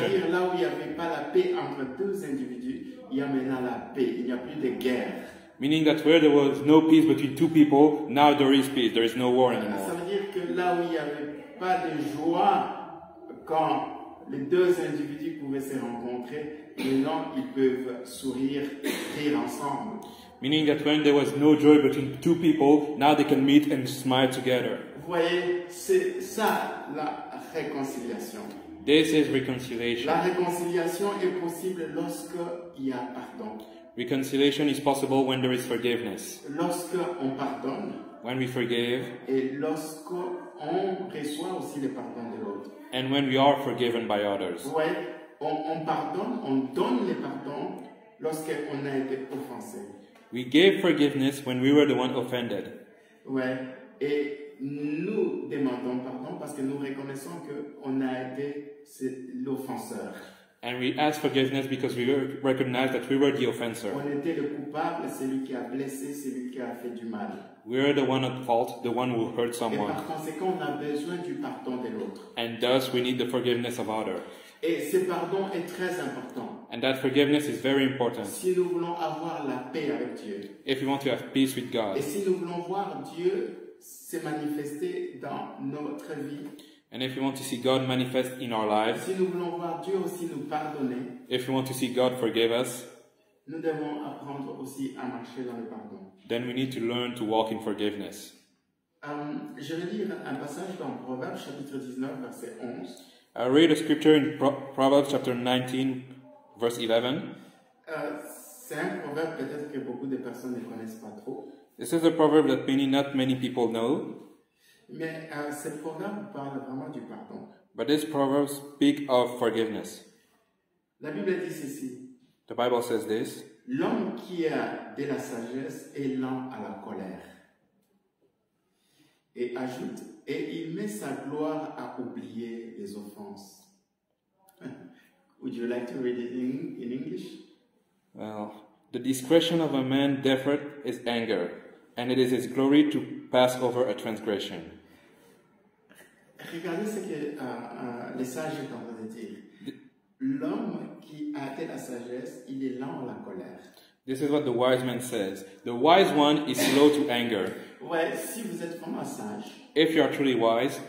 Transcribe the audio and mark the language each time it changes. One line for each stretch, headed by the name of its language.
French: C'est-à-dire là où il n'y avait pas la paix entre deux individus, il y a maintenant la paix. Il n'y a plus de guerre.
English: Meaning that where there was no peace between two people, now there is peace. There is no war anymore.
French: Ça veut dire que là où il n'y avait pas de joie quand les deux individus pouvaient se rencontrer, maintenant ils peuvent sourire, rire ensemble.
English: Meaning that when there was no joy between two people, now they can meet and smile together.
French: Vous voyez, c'est ça la réconciliation.
English: This is reconciliation.
French: La réconciliation est possible lorsque il y a pardon.
English: Reconciliation is possible when there is forgiveness.
French: Lorsque on pardonne.
English: When we forgive.
French: Et lorsque on reçoit aussi le pardon de l'autre.
English: And when we are forgiven by others.
French: Vous voyez, on pardonne, on donne le pardon lorsque on a été offensé.
English: We gave forgiveness when we were the one offended.
French: Ouais, et nous demandons pardon parce que nous reconnaissons que on a été l'offenseur.
English: And we ask forgiveness because we recognize that we were the offender.
French: On était le coupable, celui qui a blessé, celui qui a fait du mal.
English: We are the one at fault, the one who hurt someone.
French: Et par conséquent, on a besoin du pardon de l'autre.
English: And thus, we need the forgiveness of others.
French: Et ce pardon est très important.
English: And that forgiveness is very important.
French: Si nous voulons avoir la paix avec Dieu.
English: If we want to have peace with God.
French: Et si nous voulons voir Dieu se manifester dans notre vie.
English: And if we want to see God manifest in our lives.
French: Si nous voulons voir Dieu aussi nous pardonner.
English: If we want to see God forgive us.
French: Nous devons apprendre aussi à marcher dans le pardon.
English: Then we need to learn to walk in forgiveness.
French: Je vais lire un passage dans Proverbes chapitre 19 verset 11.
English: I read a scripture in Proverbs chapter 19, verse 11.
French: C'est un proverbe peut-être que beaucoup de personnes ne connaissent pas trop.
English: This is a proverb that many, not many people know.
French: Mais ce proverbe parle vraiment du pardon.
English: But this proverb speaks of forgiveness.
French: La Bible dit ceci.
English: The Bible says this.
French: L'homme qui a de la sagesse est lent à la colère. Et ajoute, et il met sa gloire à oublier les offenses.
English: Would you like to read it in English? Well, the discretion of a man deferred is anger, and it is his glory to pass over a transgression.
French: Regardez ce que les sages ont envie de dire. L'homme qui a de la sagesse, il est lent à la colère.
English: This is what the wise man says. The wise one is slow to anger.
French: Ouais, si vous êtes vraiment sage,
English: if you are truly wise,